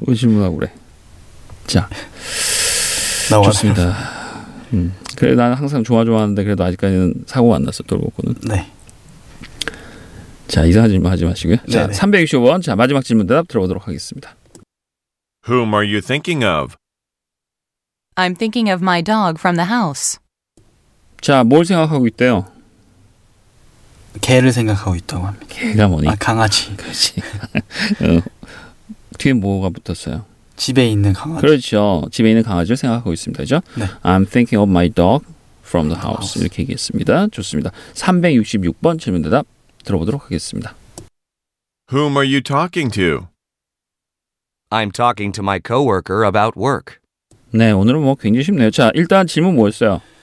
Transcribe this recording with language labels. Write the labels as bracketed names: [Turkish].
[Korean] 왜 질문하고 그래? 자, 좋습니다. 그래, 난 항상 좋아하는데 그래도 아직까지는 사고가 안 났어, 돌고꾼은. 네. 자, 이상한 질문 하지 마시고요. 자, 네네. 365번, 자, 마지막 질문 대답 들어보도록 하겠습니다. [English] Whom are you thinking of? I'm thinking of my dog from the house. [Korean] 자, 뭘 생각하고 있대요? 개를 생각하고 있다고 합니다. 개가 뭐니? 아, 강아지. 그렇지. 뒤에 뭐가 붙었어요? 집에 있는 강아지. 그렇죠. 집에 있는 강아지를 생각하고 있습니다. 그렇죠? 네. [English] I'm thinking of my dog from the house. [Korean] 이렇게 얘기했습니다. 좋습니다. 366번 질문 대답 들어보도록 하겠습니다. [English] Whom are you talking to? I'm talking to my coworker about work. [Korean] 네, 오늘은 뭐 굉장히 쉽네요. 자, 일단 질문 뭐였어요?